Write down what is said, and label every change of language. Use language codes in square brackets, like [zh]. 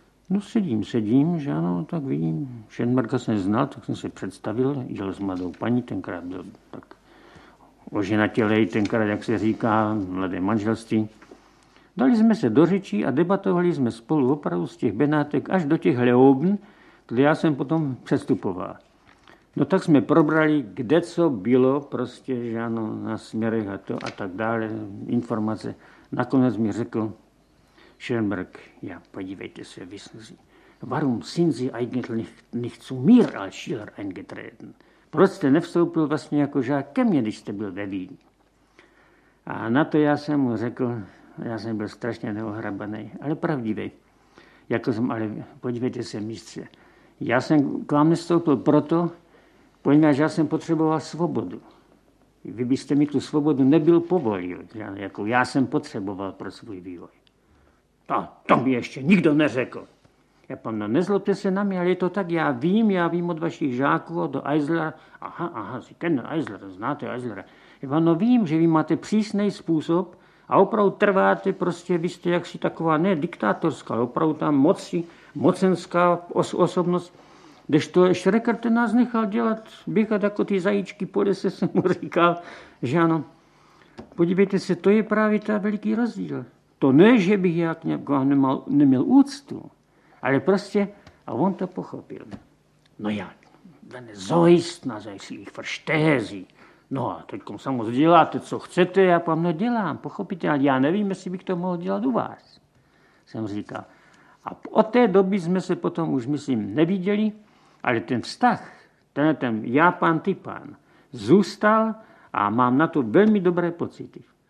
[cs] No sedím, že ano, tak vidím, Šenberka jsem znal, tak jsem se představil, jel s mladou paní, tenkrát byl tak oženatělej, tenkrát, jak se říká, mladé manželství. Dali jsme se do řeči a debatovali jsme spolu opravdu z těch Benátek až do těch Leobn, kde já jsem potom přestupoval. No tak jsme probrali, kde co bylo, prostě, že ano, na směrech a to a tak dále, informace. Nakonec mi řekl [de] Schönberg, ja, [cs] podívejte se, [de] wissen Sie, warum sind Sie eigentlich nicht zu mir als Schüler eingetreten? [cs] Proč jste nevstoupil vlastně jako žák ke mně, když jste byl ve Vídni? A na to já jsem mu řekl, já jsem byl strašně neohrabaný, ale pravdivý. Jako jsem, ale podívejte se, mistře, já jsem k vám nestoupil proto, poněvadž já jsem potřeboval svobodu. Vy byste mi tu svobodu nebyl povolil, jako já jsem potřeboval pro svůj vývoj. To mi ještě nikdo neřekl. Já pan, no nezlobte se na mě, ale je to tak, já vím od vašich žáků, od Eislera. Aha, aha, si ten Eisler, znáte Eislera. Já pan, no vím, že vy máte přísný způsob a opravdu trváte, prostě vy jste jaksi taková, ne diktátorská, opravdu tam mocenská osobnost. Když to Schrecker ten nás nechal dělat, běhat jako ty zajíčky po lese, jsem mu říkal, že ano. Podívejte se, to je právě ta veliký rozdíl. To ne, že bych já k němu neměl úctu, ale prostě, a on to pochopil. No já, [de] wenn es so ist, na zajsi ich verstehezi. [cs] No a teďkom samozřejmě děláte, co chcete, já pan no dělám, pochopíte, ale já nevím, jestli bych to mohl dělat u vás, jsem říkal. A od té doby jsme se potom už, myslím, neviděli, ale ten vztah, ten já pan, ty pan, zůstal a mám na to velmi dobré pocity.